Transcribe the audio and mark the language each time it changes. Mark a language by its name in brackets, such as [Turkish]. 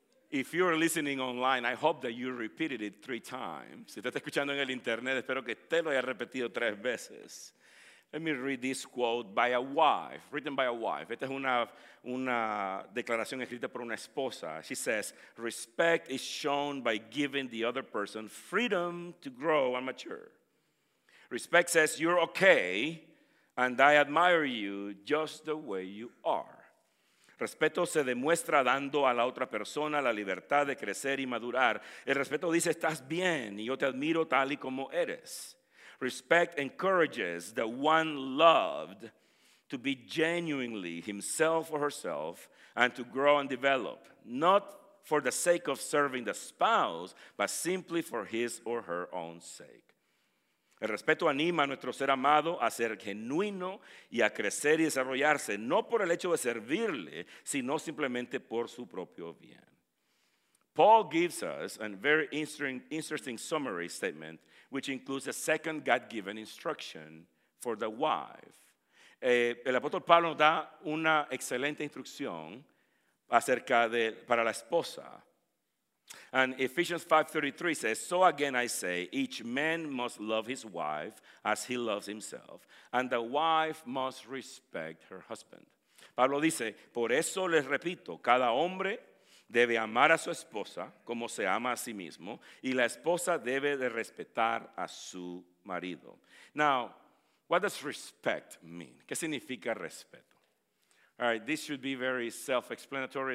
[English] If you are listening online, I hope that you repeated it 3 times. [Spanish] Si estás escuchando en el internet, espero que te lo haya repetido 3 veces. [English] Let me read this quote by a wife, written by a wife. [Spanish] Esta es una declaración escrita por una esposa. [English] She says, respect is shown by giving the other person freedom to grow and mature. Respect says, you're okay, and I admire you just the way you are. [Spanish] Respeto se demuestra dando a la otra persona la libertad de crecer y madurar. El respeto dice, estás bien, y yo te admiro tal y como eres. [English] Respect encourages the one loved to be genuinely himself or herself and to grow and develop, not for the sake of serving the spouse, but simply for his or her own sake. [Spanish] El respeto anima a nuestro ser amado a ser genuino y a crecer y desarrollarse, no por el hecho de servirle, sino simplemente por su propio bien. [English] Paul gives us a very interesting summary statement, which includes a second God-given instruction for the wife. [Spanish] El apóstol Pablo nos da una excelente instrucción acerca de para la esposa. [English] And Ephesians 5:33 says, so again I say, each man must love his wife as he loves himself, and the wife must respect her husband. [Spanish] Pablo dice, por eso les repito, cada hombre debe amar a su esposa como se ama a sí mismo, y la esposa debe de respetar a su marido. [English] Now, what does respect mean? [Spanish] ¿Qué significa respeto? [English] All right, this should be very self-explanatory.